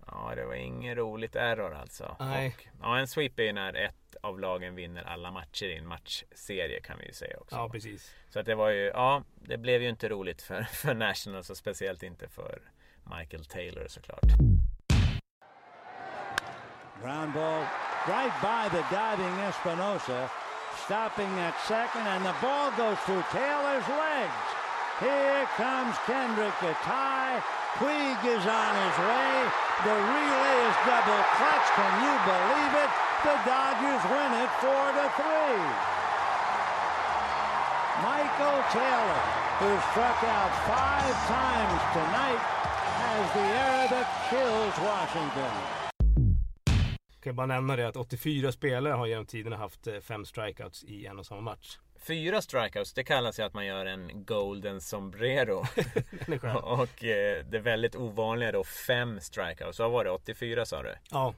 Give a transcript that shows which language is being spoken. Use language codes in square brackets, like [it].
[sv] Ja, det var ingen roligt error alltså. Nej. Och, ja, en sweep är ju när ett av lagen vinner alla matcher i en matchserie kan vi ju säga också. Ja, precis. Så att det var ju, ja, det blev ju inte roligt för Nationals och speciellt inte för Michael Taylor såklart. [en] Ground ball right by the diving Espinosa, stopping at second, and the ball goes through Taylor's legs. Here comes Kendrick to tie. Puig is on his way. The relay is double clutch. Can you believe it? The Dodgers win it 4-3. Michael Taylor, who struck out 5 times tonight, as the air that kills Washington. [sv] Jag kan bara nämna det att 84 spelare har genom tiden haft 5 strikeouts i en och samma match. 4 strikeouts, det kallas ju att man gör en golden sombrero. Det är och det är väldigt ovanliga då, 5 strikeouts. Så var det 84 sa du? Ja.